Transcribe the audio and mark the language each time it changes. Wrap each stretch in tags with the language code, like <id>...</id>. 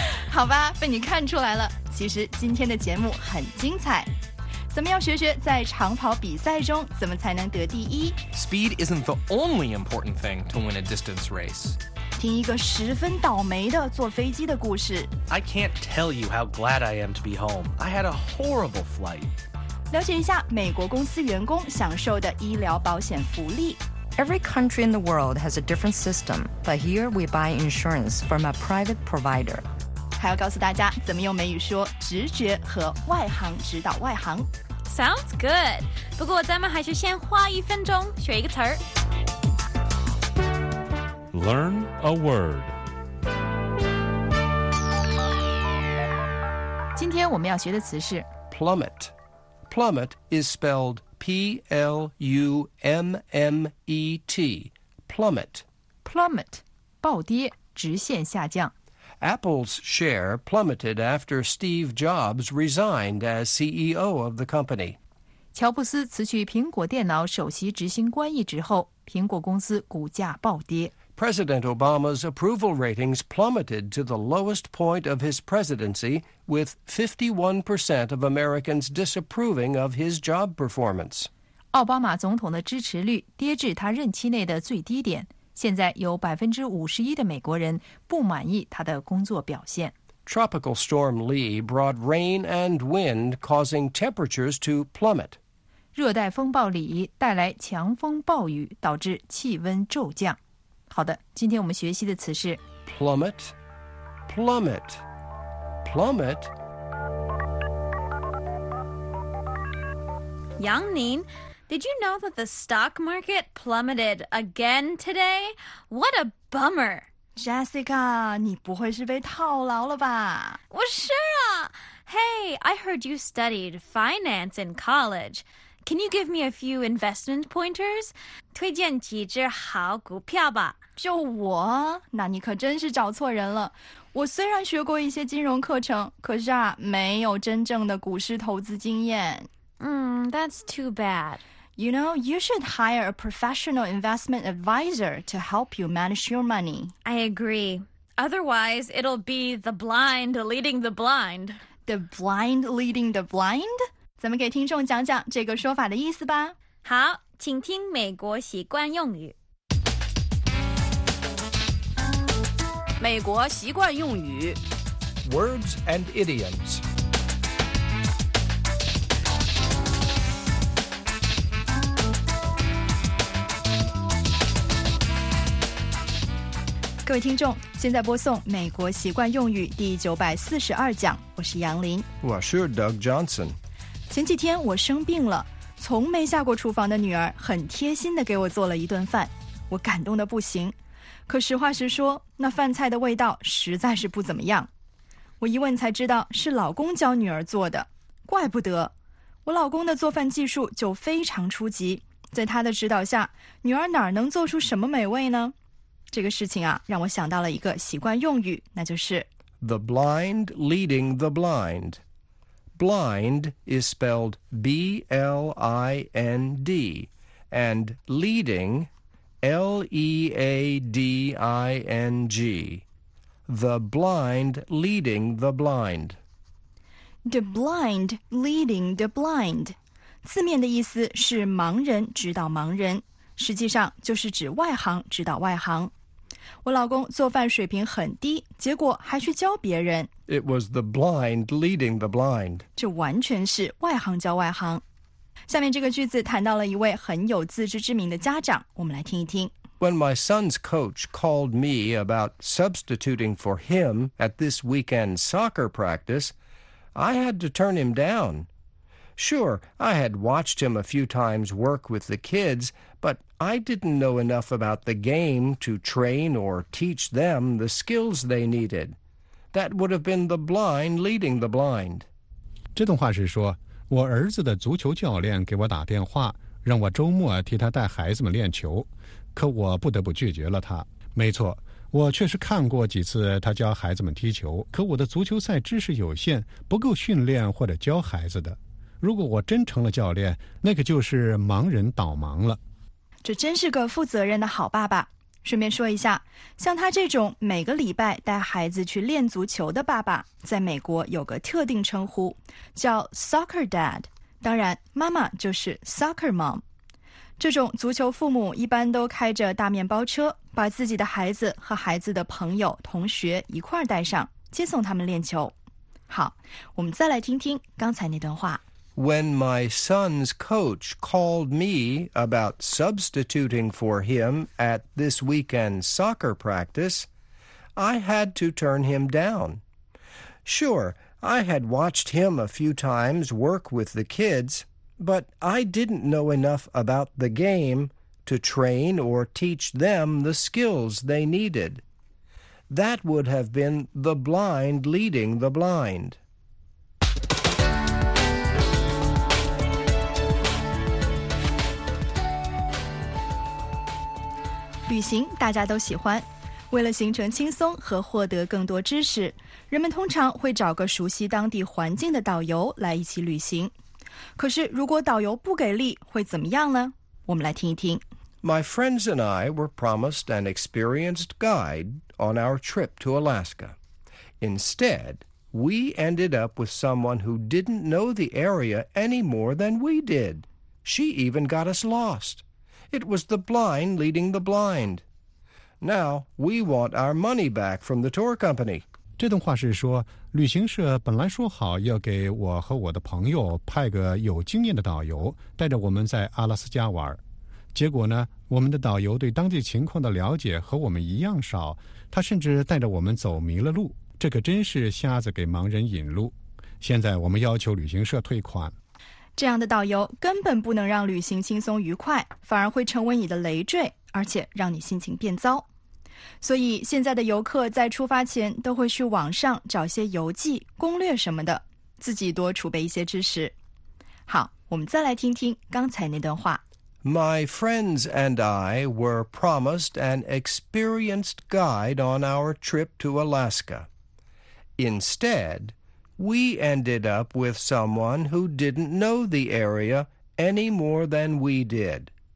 <zh>好吧，被你看出来了。其实今天的节目很精彩。咱们要学学在长跑比赛中怎么才能得第一。</zh> <en>Speed isn't the only important thing to win a distance race.</en> <zh>听一个十分倒霉的坐飞机的故事。</zh> <en>I can't tell you how glad I am to be home. I had a horrible flight.</en> <zh>了解一下美国公司员工享受的医疗保险福利。</zh> <en>Every country in the world has a different system, but here we buy insurance from a private provider.</en> <zh>还要告诉大家怎么用美语说直觉和外行指导外行。</zh> <en>Sounds good.</en> <zh>不过咱们还是先花一分钟学一个词儿。</zh> <en>Learn a word.</en> <zh>今天我们要学的词是</zh> <en>plummet. Plummet is spelled P-L-U-M-M-E-T. Plummet.</en> <zh>Plummet, 暴跌，直线下降。</zh> <en>Apple's share plummeted after Steve Jobs resigned as CEO of the company.</en> <zh>乔布斯辞去苹果电脑首席执行官一职后，苹果公司股价暴跌。</zh> <en>President Obama's approval ratings plummeted to the lowest point of his presidency, with 51% of Americans disapproving of his job performance.</en> <zh>奥巴马总统的支持率跌至他任期内的最低点，现在有 51% 的美国人不满意他的工作表现。</zh> <en>Tropical Storm Lee brought rain and wind, causing temperatures to plummet.</en> <zh>热带风暴里带来强风暴雨，导致气温骤降。好的，今天我们学习的词是</zh> <en>plummet, plummet, plummet. 杨宁, did you know that the stock market plummeted again today? What a bummer!</en> <zh>Jessica, 你不会是被套牢了吧？我是啊。</zh> <en>Hey, I heard you studied finance in college. Can you give me a few investment pointers?</en> <zh>推荐几只好股票吧。就我？那你可真是找错人了。我虽然学过一些金融课程，可是啊，没有真正的股市投资经验。</zh> <en>That's too bad. You know, you should hire a professional investment advisor to help you manage your money. I agree. Otherwise, it'll be the blind leading the blind. The blind leading the blind?</en> <zh>咱们给听众讲讲这个说法的意思吧。好，请听美国习惯用语。美国习惯用语。</zh> <en>Words and idioms.</en> <zh>各位听众，现在播送美国习惯用语第942讲，我是杨林。我是 Doug Johnson。前几天我生病了，从没下过厨房的女儿很贴心地给我做了一顿饭，我感动得不行。可实话实说，那饭菜的味道实在是不怎么样。我一问才知道是老公教女儿做的，怪不得。我老公的做饭技术就非常初级，在他的指导下，女儿哪能做出什么美味呢？这个事情啊，让我想到了一个习惯用语，那就是</zh> <en>The blind leading the blindBlind is spelled B-L-I-N-D, and leading, L-E-A-D-I-N-G. The blind leading the blind. The blind leading the blind.</en> <zh>字面的意思是盲人指导盲人，实际上就是指外行指导外行。我老公做饭水平很低，结果还去教别人。</zh> <en>It was the blind leading the blind.</en> <zh>这完全是外行教外行。下面这个句子谈到了一位很有自知之明的家长，我们来听一听。</zh> <en>When my son's coach called me about substituting for him at this weekend soccer practice, I had to turn him down. Sure, I had watched him a few times work with the kids,But I didn't know enough about the game to train or teach them the skills they needed. That would have been the blind leading the blind.</en> <zh>这段话是说，我儿子的足球教练给我打电话，让我周末替他带孩子们练球，可我不得不拒绝了他。没错，我确实看过几次他教孩子们踢球，可我的足球赛知识有限，不够训练或者教孩子的。如果我真成了教练，那可就是盲人导盲了。这真是个负责任的好爸爸。顺便说一下，像他这种每个礼拜带孩子去练足球的爸爸，在美国有个特定称呼，叫 soccer dad。当然妈妈就是 soccer mom。这种足球父母一般都开着大面包车，把自己的孩子和孩子的朋友同学一块带上，接送他们练球。好，我们再来听听刚才那段话。</zh> <en>When my son's coach called me about substituting for him at this weekend soccer practice, I had to turn him down. Sure, I had watched him a few times work with the kids, but I didn't know enough about the game to train or teach them the skills they needed. That would have been the blind leading the blind.</en> <zh>旅行大家都喜欢，为了行程轻松和获得更多知识，人们通常会找个熟悉当地环境的导游来一起旅行。可是如果导游不给力会怎么样呢？我们来听一听。</zh> <en>My friends and I were promised an experienced guide on our trip to Alaska. Instead, we ended up with someone who didn't know the area any more than we did. She even got us lost. It was the blind leading the blind. Now, we want our money back from the tour company.</en> <zh>这段话是说，旅行社本来说好要给我和我的朋友派个有经验的导游，带着我们在阿拉斯加玩。结果呢，我们的导游对当地情况的了解和我们一样少，他甚至带着我们走迷了路。这可真是瞎子给盲人引路。现在我们要求旅行社退款。这样的导游根本不能让旅行轻松愉快，反而会成为你的累赘，而且让你心情变糟。所以现在的游客在出发前都会去网上找些游记、攻略什么的，自己多储备一些知识。好，我们再来听听刚才那段话。</zh> <en>My friends and I were promised an experienced guide on our trip to Alaska. InstedWe ended up with someone who didn't know the area any more than we did.</en>